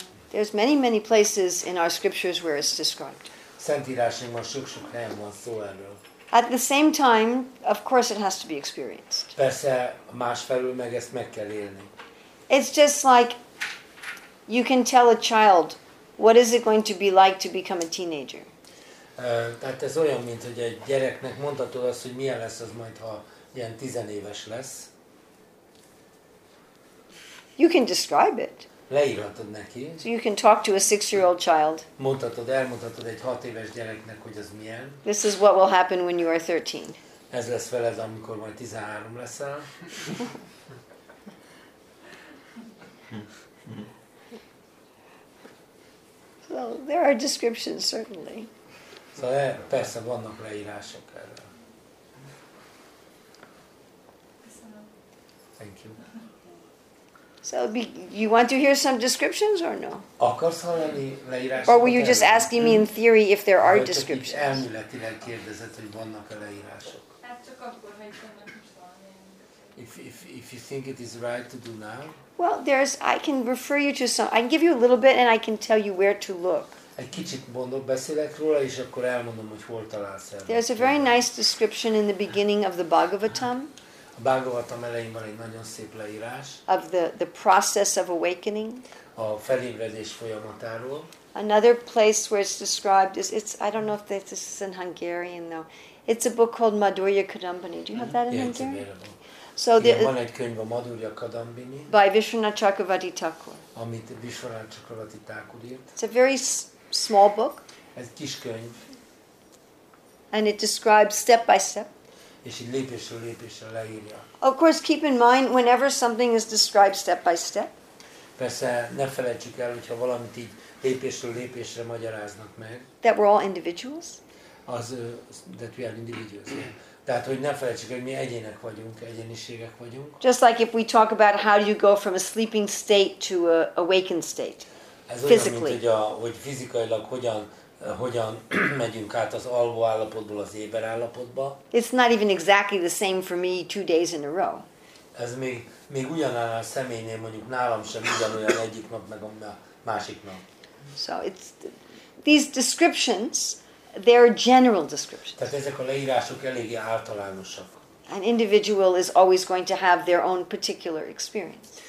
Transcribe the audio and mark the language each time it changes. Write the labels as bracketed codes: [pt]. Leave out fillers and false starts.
[en] There's many places in our scriptures where it's described. [hu] Szentírásainkban sok helyen van szó erről. [en] At the same time, of course, it has to be experienced. [hu] Persze, másfelől meg ezt meg kell élni. [en] It's just like you can tell a child what is it going to be like to become a teenager. [hu] Tehát ez olyan, mint hogy egy gyereknek mondhatod azt, hogy milyen lesz az majd, ha ilyen tizenéves lesz. [en] You can describe it. [hu] Leírhatod neki. [en] So you can talk to a 6-year-old child. [hu] Mondhatod, elmondhatod egy 6 éves gyereknek, hogy az milyen. [en] This is what will happen when you are 13. [hu] Ez lesz veled, amikor majd 13 leszel. [en] So there are descriptions, certainly. [hu] Szóval persze vannak leírások erről. [en] Thank you. So you want to hear some descriptions or no? [hu] Akarsz hallani leírásokat? [en] Or were you just asking me in theory if there are descriptions? [hu] Vagy csak így elméletileg kérdezett, hogy vannak-e leírások? [en] If you think it is right to do now. Well, there's. I can refer you to some. I can give you a little bit, and I can tell you where to look. [hu] Egy kicsit mondok, beszélek róla, és akkor elmondom, hogy hol találsz el. [en] There's a very nice description in the beginning of the Bhagavatam. [hu] A Bhagavatam elején van egy nagyon szép leírás. [en] Of the process of awakening. [hu] A felébredés folyamatáról. [en] Another place where it's described is it's. I don't know if this is in Hungarian though. It's a book called Madhurya Kadambini. Do you have that in Hungarian? [hu] So igen, van egy könyv a Madhurya Kadambini. [en] By Vishwanatha Chakravarti Thakur. [hu] Amit Vishwanatha Chakravarti Thakur írt. [en] It's a very small book. [hu] Ez kis könyv. [en] And it describes step by step. [hu] És így lépésről lépésre leírja. [en] Of course, keep in mind whenever something is described step by step. [hu] Persze, ne felejtsük el, hogyha valamit így lépésről lépésre magyaráznak meg. [en] That we're all individuals. Az, that we are individuals. [hu] Tehát, hogy ne felejtsük, hogy mi egyének vagyunk, egyéniségek vagyunk. [en] Just like if we talk about how do you go from a sleeping state to a awakened state, [hu] ez physically. Ez olyan, mint hogy fizikailag hogyan megyünk át az alvó állapotból az éber állapotba. [en] It's not even exactly the same for me 2 days in a row. [hu] Ez még ugyanáll a személynél, mondjuk nálam sem ugyanolyan egyik nap, meg a másik nap. [en] So it's these descriptions. They are general descriptions. [hu] Tehát ezek a leírások eléggé általánosak. [en] An individual is always going to have their own particular experience.